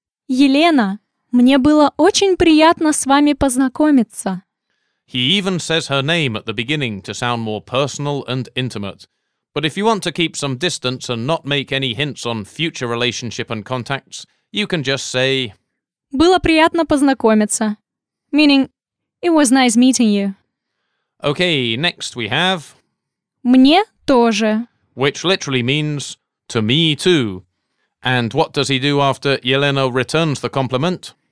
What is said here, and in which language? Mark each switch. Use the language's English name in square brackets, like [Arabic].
[Russian] Елена, мне было очень приятно с вами познакомиться. [English] He even says her name at the beginning to sound more personal and intimate. But if you want to keep some distance and not make any hints on future relationship and contacts, you can just say... [Russian] Было приятно познакомиться. [English] Meaning, it was nice meeting you. Okay, next we have... [Russian] Мне тоже. [English] Which literally means, to me too. And what does he do after Елена returns the compliment?